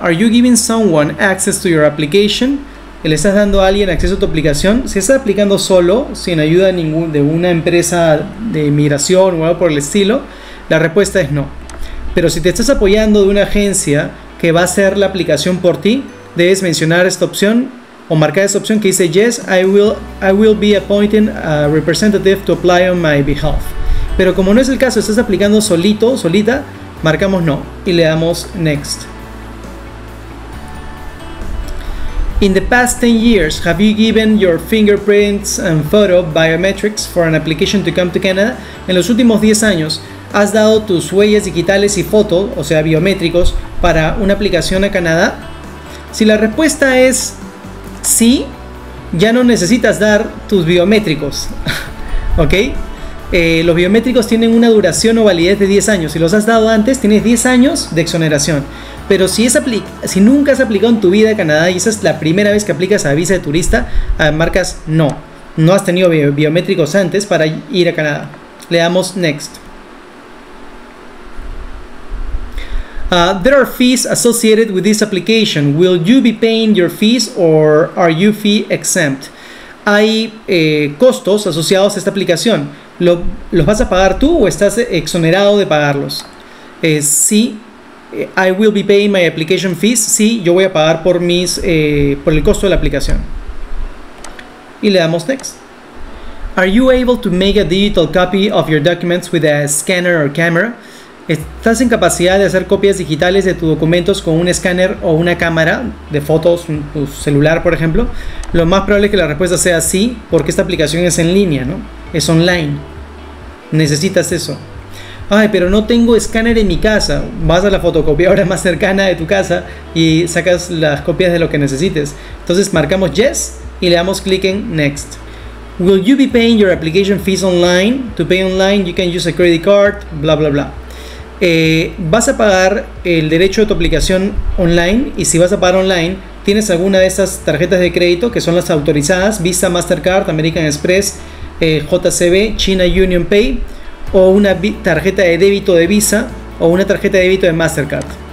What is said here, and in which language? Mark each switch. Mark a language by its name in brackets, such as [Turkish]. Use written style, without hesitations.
[English] Are you giving someone access to your application? [Spanish] ¿Le estás dando a alguien acceso a tu aplicación? Si estás aplicando solo, sin ayuda de una empresa de migración o algo por el estilo, la respuesta es no. Pero si te estás apoyando de una agencia que va a hacer la aplicación por ti, debes mencionar esta opción o marcar esta opción que dice [English] Yes, I will be appointing a representative to apply on my behalf. [Spanish] Pero como no es el caso, estás aplicando solito, solita, marcamos no y le damos next. [English] In the past 10 years, have you given your fingerprints and photo biometrics for an application to come to Canada? [Spanish] En los últimos 10 años, ¿has dado tus huellas digitales y fotos, o sea, biométricos, para una aplicación a Canadá? Si la respuesta es sí, ya no necesitas dar tus biométricos, ¿ok? Los biométricos tienen una duración o validez de 10 años. Si los has dado antes, tienes 10 años de exoneración. Pero si nunca has aplicado en tu vida a Canadá y esa es la primera vez que aplicas a visa de turista, marcas no. No has tenido biométricos antes para ir a Canadá. Le damos next. [English] There are fees associated with this application. Will you be paying your fees or are you fee exempt? [Spanish] Hay costos asociados a esta aplicación. ¿Los vas a pagar tú o estás exonerado de pagarlos? Sí. [English] I will be paying my application fees. [Spanish] Sí, yo voy a pagar por el costo de la aplicación. Y le damos next. [English] Are you able to make a digital copy of your documents with a scanner or camera? [Spanish] ¿Estás en capacidad de hacer copias digitales de tus documentos con un escáner o una cámara de fotos, tu celular, por ejemplo? Lo más probable es que la respuesta sea sí, porque esta aplicación es en línea, ¿no? Es online. Necesitas eso. Ay, pero no tengo escáner en mi casa. Vas a la fotocopiadora más cercana de tu casa y sacas las copias de lo que necesites. Entonces marcamos yes y le damos clic en next. [English] Will you be paying your application fees online? To pay online, you can use a credit card, bla, bla, bla. [Spanish] Vas a pagar el derecho de tu aplicación online y si vas a pagar online, tienes alguna de estas tarjetas de crédito que son las autorizadas, Visa, Mastercard, American Express, JCB, China Union Pay, o una tarjeta de débito de Visa o una tarjeta de débito de Mastercard.